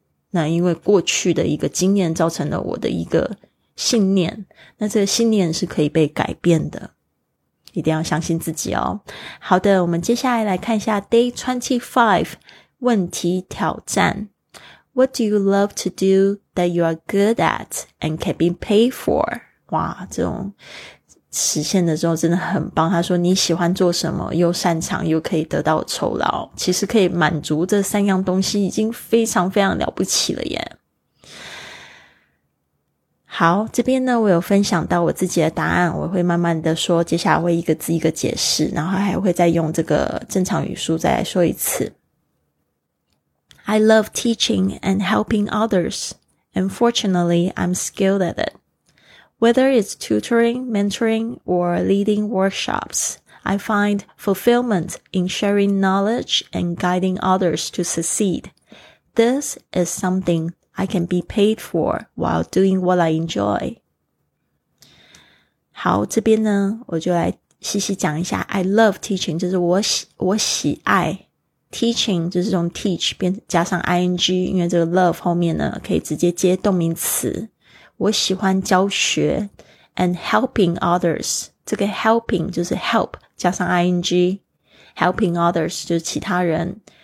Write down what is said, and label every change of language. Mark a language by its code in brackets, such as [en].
[zh] 那因为过去的一个经验造成了我的一个信念，那这个信念是可以被改变的，一定要相信自己哦。好的，我们接下来来看一下 Day 25问题挑战。 [en] What do you love to do that you are good at and can be paid for? [zh] 哇，这种实现的时候真的很棒。他说你喜欢做什么，又擅长又可以得到酬劳，其实可以满足这三样东西已经非常非常了不起了耶。好，这边呢我有分享到我自己的答案，我会慢慢的说，接下来会一个字一个解释，然后还会再用这个正常语速再来说一次。 [en] I love teaching and helping others, and fortunately I'm skilled at it. Whether it's tutoring, mentoring, or leading workshops, I find fulfillment in sharing knowledge and guiding others to succeed. This is something I can be paid for while doing what I enjoy. [zh] 好，这边呢我就来细细讲一下。 [en] I love teaching [zh] 就是我喜爱 teaching 就是这种 teach 加上 ing， 因为这个 love 后面呢可以直接接动名词。我喜欢教学， [en] and helping others， [zh] 这个 helping 就是 help 加上 ing， [en] helping others [zh] 就是其他人。